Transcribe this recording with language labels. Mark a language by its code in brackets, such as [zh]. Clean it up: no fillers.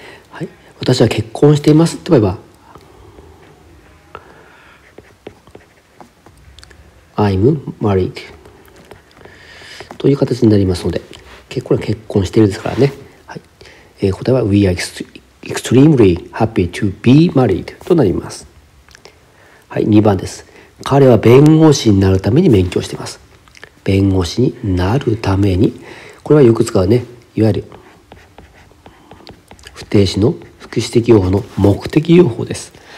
[ja] はい、私は結婚していますって言えば [en] I'm married [ja] という形になりますので、結婚は結婚しているですからね。はい、答えは [en] We are extremely happy to be married [ja] となります。はい、2番です。彼は弁護士になるために勉強しています。弁護士になるために、これはよく使うね、いわゆる不定詞の副詞的用法の目的用法です。